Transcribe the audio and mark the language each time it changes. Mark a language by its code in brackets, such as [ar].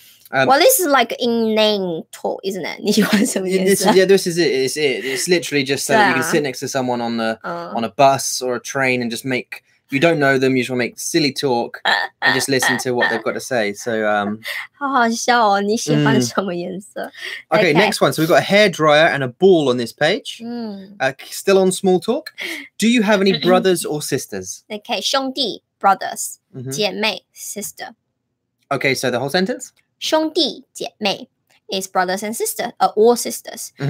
[en] Well, this is like in-name talk, isn't it? [zh] 你喜欢什么颜色? [en] Yeah, this is it. It's it. It's literally just so that you can sit next to someone on, on a bus or a train and just make... You don't know them, you just make silly talk and just listen to what they've got to say. So, [zh] 好好笑哦,你喜欢什么颜色? [en] Okay, next one. So we've got a hairdryer and a ball on this page. Still on small talk. Do you have any brothers or sisters? Okay, 兄弟, brothers, 姐妹, sister. Okay, so the whole sentence? 兄弟姐妹 is brothers and sisters, or sisters.